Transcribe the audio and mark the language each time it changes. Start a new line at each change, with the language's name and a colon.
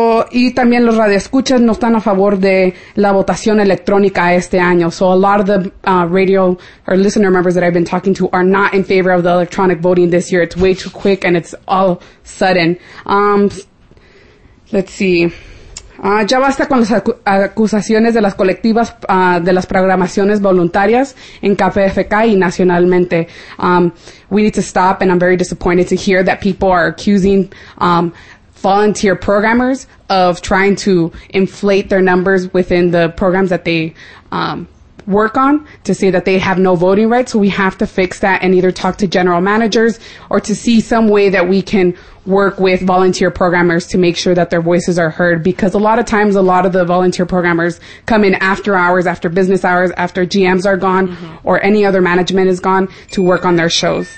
Spanish: Y también los radioescuchas no están a favor de la votación electrónica este año.
English: So a lot of the radio or listener members that I've been talking to are not in favor of the electronic voting this year. It's way too quick and it's all sudden. Let's see.
Spanish: Ya basta con las acusaciones de las colectivas de las programaciones voluntarias en KPFK y nacionalmente.
English: We need to stop, and I'm very disappointed to hear that people are accusing volunteer programmers of trying to inflate their numbers within the programs that they work on to say that they have no voting rights. So we have to fix that and either talk to general managers or to see some way that we can work with volunteer programmers to make sure that their voices are heard, because a lot of times a lot of the volunteer programmers come in after hours, after business hours, after GMs are gone or any other management is gone to work on their shows.